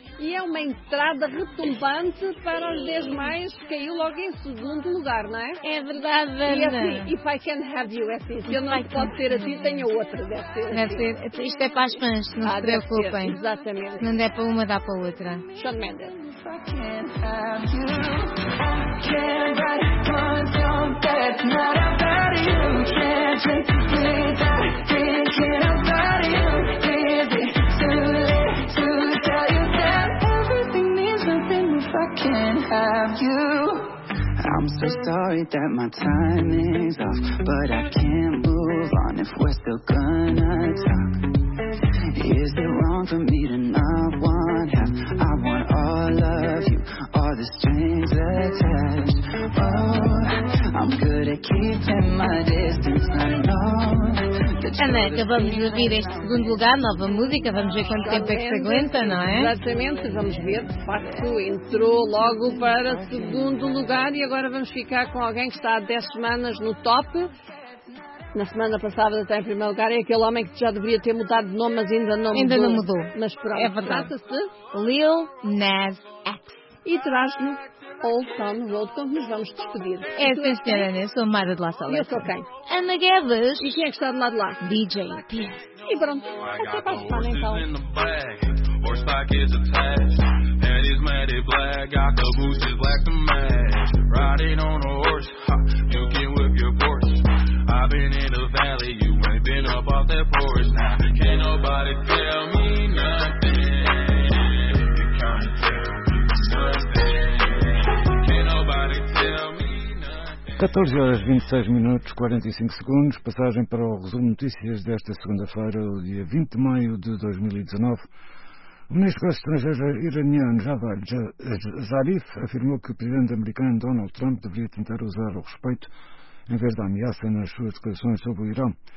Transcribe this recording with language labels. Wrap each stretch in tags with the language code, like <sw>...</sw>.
<pt>E é uma entrada retumbante para os 10 mais, que caiu logo em segundo lugar, não é? É verdade, Ana. E assim,</pt> <en>if I can have you,</en> <pt>é assim, se eu não pode ter a ti, tenho outra, deve ser. Isto é para as fãs, não se preocupem. Ser. Exatamente. Não der para uma, dá para outra. Shawn Mendes.</pt> <en>If I can't have you, I can't write one song that's not about you. Can't drink the things I'm thinking about you. Baby, too late to tell you that everything means nothing if I can't have you. I'm so sorry that my time is off, but I can't move on if we're still gonna talk. Is it wrong for me to not want half? I want all of you, all the strings attached. Oh, I'm good at keeping my distance, I know.</en> <pt>Ana, acabamos de ouvir este segundo lugar, nova música, vamos ver quanto tempo é que se aguenta, não é? Exatamente, vamos ver, de facto entrou logo para segundo lugar e agora vamos ficar com alguém que está há 10 semanas no top. Na semana passada está em primeiro lugar, é aquele homem que já deveria ter mudado de nome, mas ainda não mudou. Mas pronto, é verdade. Trata-se Lil Nas X. E traz-me Old Town Road, como nos vamos despedir. É, sim, senhora Ana, eu sou a Mara de La Salle. E eu sou quem? Ana Guedes. E quem é que está do lado de lá? DJ P. E pronto, até para a semana então.</pt> <en>I've been in the valley, you ain't been up off that porch. Now, can't nobody tell me nothing. You can't tell me nothing. Can't nobody tell me.</en> <pt>14 horas 26 minutos 45 segundos, passagem para o resumo de notícias desta segunda-feira, o dia 20 de maio de 2019. O ministro dos Estrangeiros iraniano Javad Zarif afirmou que o presidente americano Donald Trump deveria tentar usar o respeito em vez da ameaça nas suas declarações sobre o Irão.</pt>